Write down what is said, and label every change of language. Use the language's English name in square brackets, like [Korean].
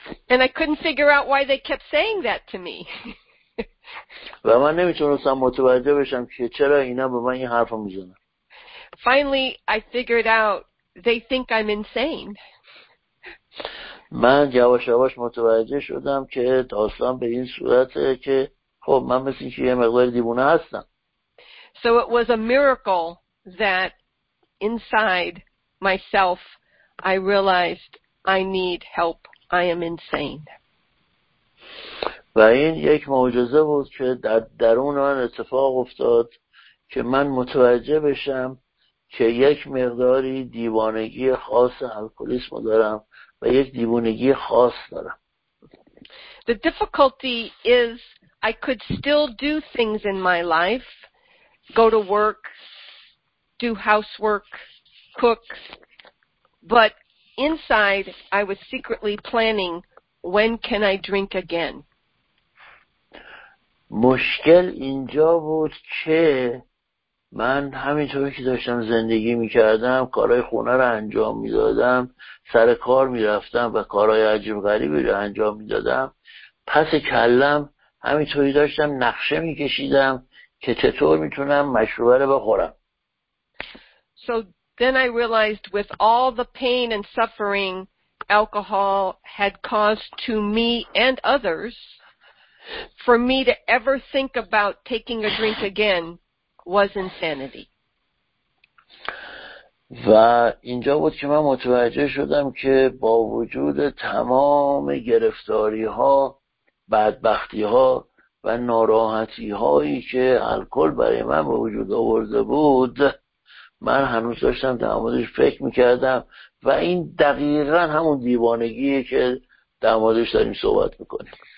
[English] And I couldn't figure out why they kept saying that to me. [Persian] و من نمیتونستم متوجه بشم که چرا اینا به من این حرفو میزنن. [English] Finally I figured out they think I'm insane. [Persian] من یواش یواش متوجه شدم که داستان به این صورته که خب من مثل این که یه مقدار دیوونه هستم. [English] So it was a miracle that inside myself I realized I need help. I am insane. [Persian] و این یک معجزه بود که در درون من اتفاق افتاد که من متوجه بشم که یک مقداری دیوانگی خاص الکلیسم دارم و یک دیوانگی خاص دارم. [English] The difficulty is I could still do things in my life, go to work, do housework, cook, but inside I was secretly planning, when can I drink again? [Persian] مشکل اینجا بود که من همینطوری که داشتم زندگی میکردم، کارهای خونه رو انجام میدادم، سر کار میرفتم و کارهای عجیب غریبی رو انجام میدادم، پس کلم همینطوری داشتم نقشه میکشیدم که چطور میتونم مشروب رو بخورم. [English] So then I realized with all the pain and suffering alcohol had caused to me and others, for me to ever think about taking a drink again was insanity. [Persian] و اینجا بود که من متوجه شدم که با وجود تمام گرفتاری‌ها، بدبختی‌ها و ناراحتی‌هایی که الکل برای من به وجود آورده بود، من هنوز داشتم در موردش فکر می‌کردم و این دقیقاً همون دیوانگیه که در موردش داریم صحبت می‌کنیم.